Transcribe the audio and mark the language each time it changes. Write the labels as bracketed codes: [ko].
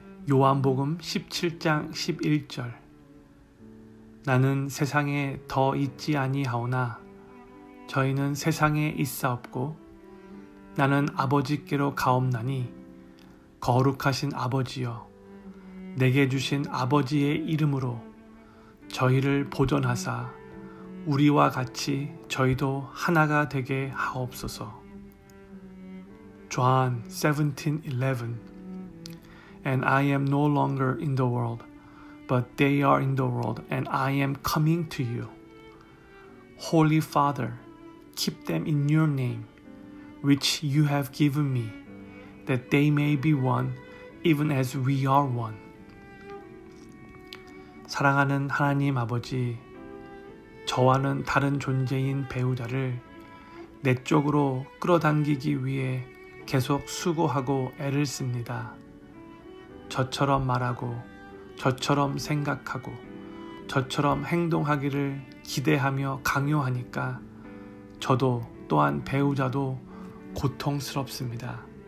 [ko] 요한복음 17장 11절 나는 세상에 더 있지 아니하오나 저희는 세상에 있사옵고 나는 아버지께로 가옵나니 거룩하신 아버지여 내게 주신 아버지의 이름으로 저희를 보존하사 우리와 같이 저희도 하나가 되게 하옵소서. [en] 요한 17:11 And I am no longer in the world, but they are in the world, and I am coming to you. Holy Father, keep them in your name, which you have given me, that they may be one, even as we are one. [ko] 사랑하는 하나님 아버지, 저와는 다른 존재인 배우자를 내 쪽으로 끌어당기기 위해 계속 수고하고 애를 씁니다. 저처럼 말하고, 저처럼 생각하고, 저처럼 행동하기를 기대하며 강요하니까 저도 또한 배우자도 고통스럽습니다.